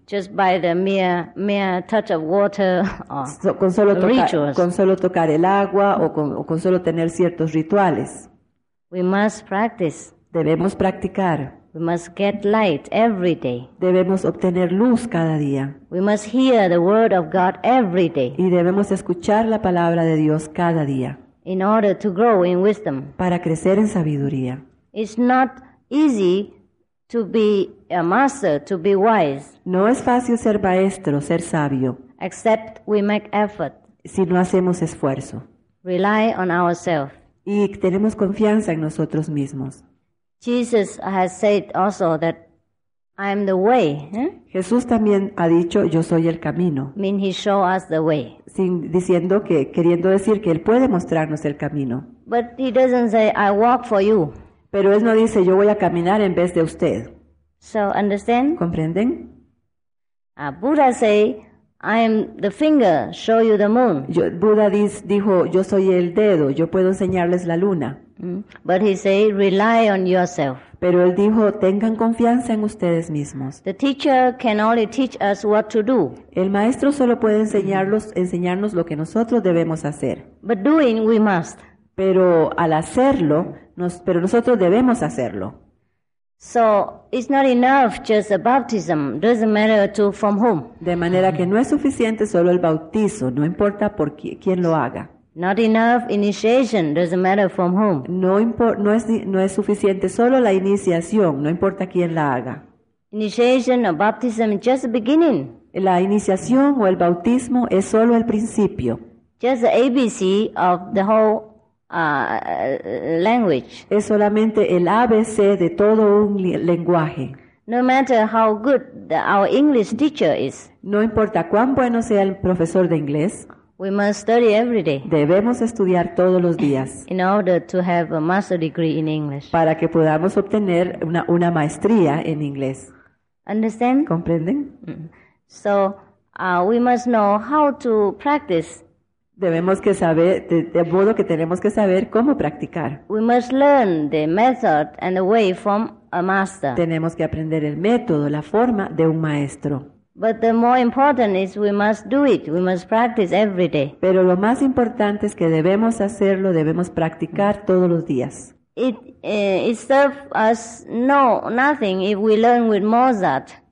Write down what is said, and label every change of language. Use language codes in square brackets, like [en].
[en] Just by the mere touch of water or rituals. [es] Con solo tocar el agua o con solo tener ciertos rituales. [en] We must practice. [es] Debemos practicar. [en] We must get light every day. [es] Debemos obtener luz cada día. [en] We must hear the word of God every day. [es] Y debemos escuchar la palabra de Dios cada día. [en] In order to grow in wisdom. [es] Para crecer en sabiduría. [en] It's not easy to be a master, to be wise. [es] No es fácil ser maestro, ser sabio. [en] Except we make effort. [es] Si no hacemos esfuerzo. [en] Rely on ourselves. [es] Y tenemos confianza en nosotros mismos. [en] Jesus has said also that I am the way. [es] Jesús también ha dicho, yo soy el camino. [en] Mean he show us the way. [es] Queriendo decir que él puede mostrarnos el camino. [en] But he doesn't say, I walk for you. [es] Pero él no dice, yo voy a caminar en vez de usted. [en] So, understand? [es] ¿Comprenden? [en] Buddha say, I am the finger, show you the moon. [es] Buddha dijo, yo soy el dedo, yo puedo enseñarles la luna. [en] But he say, rely on yourself. [es] Pero él dijo, tengan confianza en ustedes mismos. [en] The teacher can only teach us what to do. [es] El maestro solo puede enseñarnos lo que nosotros debemos hacer. [en] But doing, we must. [es] Pero nosotros debemos hacerlo. [en] So it's not enough just a baptism. Doesn't matter to from whom. [es] De manera que no es suficiente solo el bautizo. No importa por quién lo haga. [en] Not enough initiation. Doesn't matter from whom. [es] No es suficiente solo la iniciación. No importa quién la haga. [en] Initiation or baptism is just the beginning. [es] La iniciación o el bautismo es solo el principio. [en] Just the ABC of the whole language. [es] Es solamente el ABC de todo un lenguaje. [en] No matter how good our English teacher is. [es] No importa cuán bueno sea el profesor de inglés. [en] We must study every day. [es] Debemos estudiar todos los días. [en] In order to have a master degree in English. [es] Para que podamos obtener una maestría en inglés. [en] Understand? [es] ¿Comprenden? [en] So, we must know how to practice. [es] Debemos que saber, de modo que tenemos que saber cómo practicar. [en] We must learn the method and the way from a master. [es] Tenemos que aprender el método, la forma de un maestro. [en] But the more important is we must do it. We must practice every day. [es] Pero lo más importante es que debemos hacerlo, debemos practicar todos los días. [en] It serves us nothing if we learn with Mozart.